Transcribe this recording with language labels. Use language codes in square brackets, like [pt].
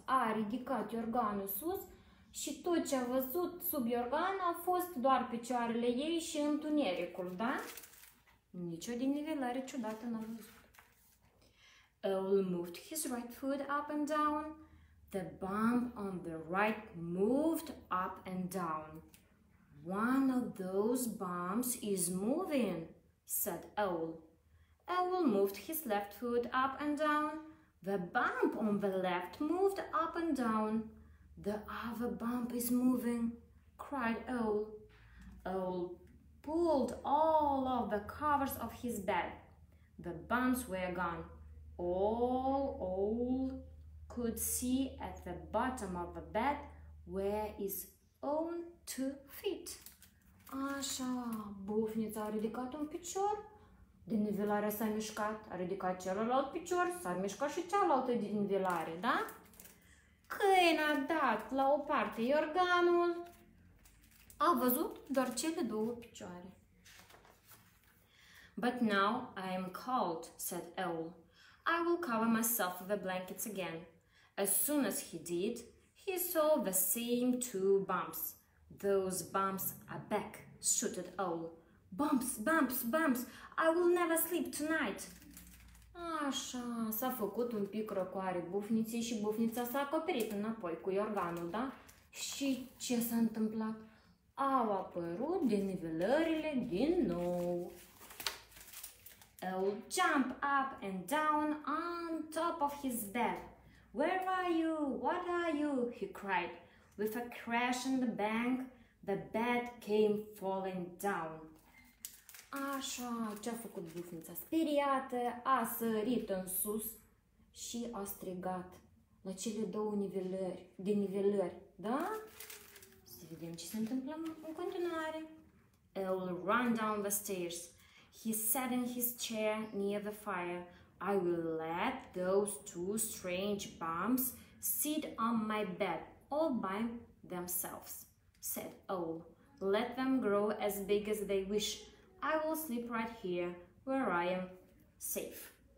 [ro] A ridicat iorganul sus și tot ce a văzut sub iorgan a fost doar picioarele ei și întunericul, da? Nici o denivelare ciudată n-a văzut. [en] Owl moved his right foot up and down. The bump on the right moved up and down. "One of those bumps is moving," said Owl. Owl moved his left foot up and down. The bump on the left moved up and down. "The other bump is moving," cried Owl. Owl pulled all of the covers off his bed. The bumps were gone. All Owl could see at the bottom of the bed were his own 2 feet. [ro] Așa, bufnița a ridicat un picior. Denivelarea s-a mișcat, a ridicat celălalt picior, s-a mișcat și cealaltă denivelare, da? Când a dat la o parte iorganul, a văzut doar cele 2 picioare. [en] "But now I am cold," said Owl. "I will cover myself with the blankets again." As soon as he did, he saw the same 2 bumps. "Those bumps are back," shouted Owl. "Bumps, bumps, bumps! I will never sleep tonight!" [ro] Așa, s-a făcut un pic răcoare bufniței și bufnița s-a acoperit înapoi cu iorganul, da? Și ce s-a întâmplat? Au apărut denivelările din nou. [en] Owl jumped up and down on top of his bed. "Where are you? What are you?" he cried. With a crash and a bang, the bed came falling down. [ro] Așa, ce-a făcut bufnița? Speriată, a sărit în sus și a strigat la cele 2 denivelări, da? Să vedem ce se întâmplă în continuare. [en] Owl ran down the stairs. He sat in his chair near the fire. "I will let those 2 strange bumps sit on my bed all by themselves," said Owl. "Let them grow as big as they wish. I will sleep right here where I am safe."